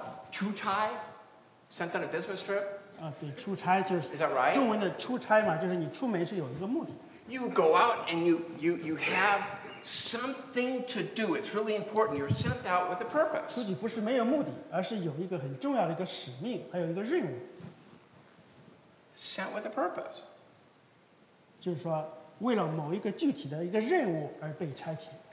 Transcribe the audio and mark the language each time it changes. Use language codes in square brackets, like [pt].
[en] 出差 ，sent on a business trip。 [zh] 啊，对，出差就是。 [en] Is that right？ [zh] 中文的出差嘛，就是你出门是有一个目的。 [en] You go out and you have something to do. It's really important. You're sent out with a purpose. [zh] 出去不是没有目的，而是有一个很重要的一个使命，还有一个任务。 [en] Sent with a purpose. [zh] 就是说，为了某一个具体的一个任务而被差遣。